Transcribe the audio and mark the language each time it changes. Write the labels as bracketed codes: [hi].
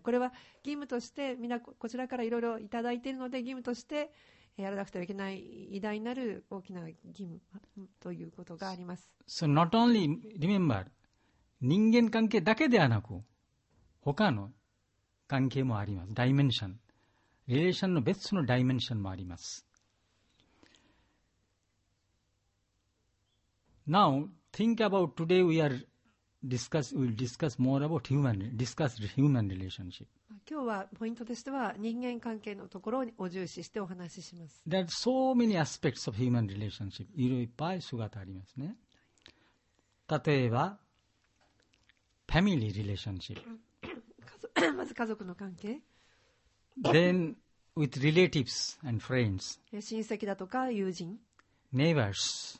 [ja] これは義務として、みんな こちらからいろいろいただいているので、義務としてやらなくてはいけない偉大なる大きな義務ということがあります。 [en] So not only remember [ja] 人間関係だけではなく他の関係もあります。ダイメンションリレーションの別のダイメンションもあります。 [en] Now, think about today we are discussing, we'll discuss more about human, discuss human relationship. [ja] 今日はポイントとしては人間関係のところを重視してお話しします。 [en] There are so many aspects of human relationship. [ja] いろいっぱい姿ありますね。例えば、 [en] family relationship。 [ja] まず家族の関係。 [en] Then, with relatives and friends. [ja] 親戚だとか友人。 [en] neighbors.